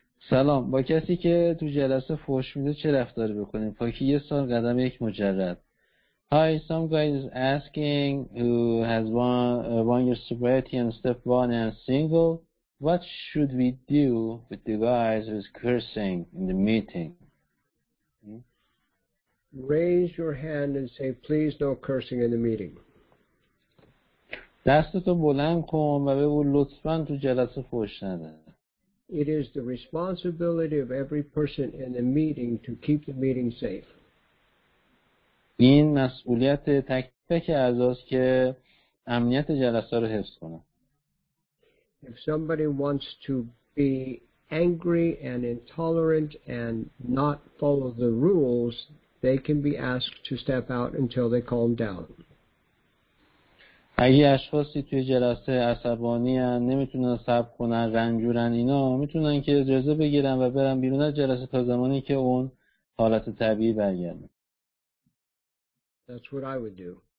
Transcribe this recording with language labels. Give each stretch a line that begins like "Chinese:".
Persian: سلام، با کسی که تو جلسه فوش میده چه رفتاری بکنیم؟ پاکی یه سال قدم یک مجرد.
English: Hi, some guy is asking who has one year sobriety and step one and single. What should we do with the guys who is cursing in the meeting? Raise your hand and say, please, no cursing in the meeting.
Persian: دستتو بلند کن و بگو لطفاً تو جلسه فحش نده.
English: It is the responsibility of every person in the meeting to keep the meeting safe.
Persian: این مسئولیت تک تک اعضاست که امنیت جلسه رو حفظ کنن.
English: If somebody wants to be angry and intolerant and not follow the rules, they can be asked to step out until they calm down.
Persian: اگه اشخاصی توی جلسه عصبانی هن، نمیتونن صبر کنن، رنجورن اینا، میتونن که اجازه بگیرن و برن بیرون از جلسه تا زمانی که اون حالت طبیعی برگرده.
English: That's what I would do.